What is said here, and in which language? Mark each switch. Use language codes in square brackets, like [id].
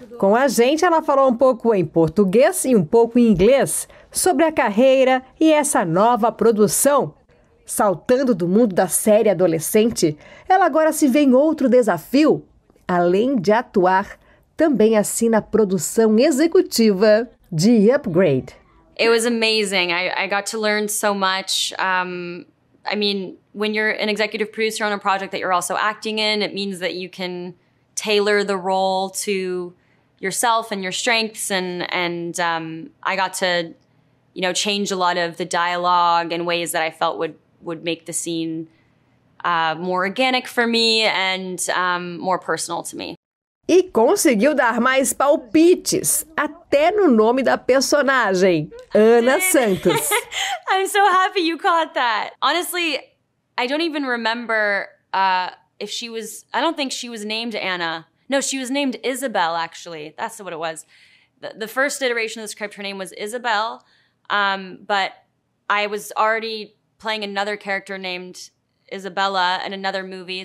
[pt] Com a gente, ela falou um pouco em português e um pouco em inglês sobre a carreira e essa nova produção. Saltando do mundo da série adolescente, ela agora se vê em outro desafio. Além de atuar, também assina a produção executiva de Upgrade. [en] It was amazing. I got to learn so much. I mean, when you're an executive producer on a project that you're also acting in, it means that you can tailor the role to yourself and your strengths, and I got to, you know, change a lot of the dialogue in ways that I felt would make the scene more organic for me and more personal to me. [pt] E conseguiu dar mais palpites, até no nome da personagem, Ana Santos. [en] I'm so happy you caught that. Honestly, I don't even remember if she was, I don't think she was named Anna. No, she was named Isabel, actually. That's what it was. The first iteration of the script, her name was Isabel. But I was already playing another character named Isabella in another movie.